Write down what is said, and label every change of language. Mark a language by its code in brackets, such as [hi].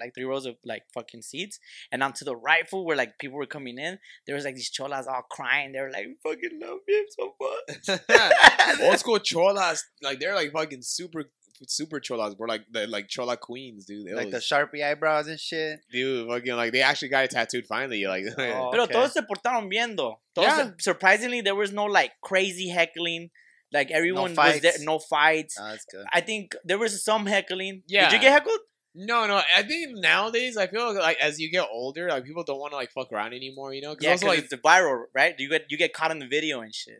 [en] Like three rows of like fucking seats. And on to the right, fool, where like people were coming in, there was like these cholas all crying. They were like, we fucking love him so much. Old school cholas, like they're like fucking super super cholas, bro. Like the chola queens, dude. It like was, the Sharpie eyebrows and shit. Dude, fucking like they actually got it tattooed finally. Like, [es] pero todos se portaron bien, though. [en] Surprisingly, there was no like crazy heckling. Like everyone was there, no fights. Oh, that's good. I think there was some heckling. Yeah. Did you get heckled? No. I think nowadays, I feel like as you get older, like people don't want to like fuck around anymore, you know? Yeah, because like, it's viral, right? You get caught in the video and shit.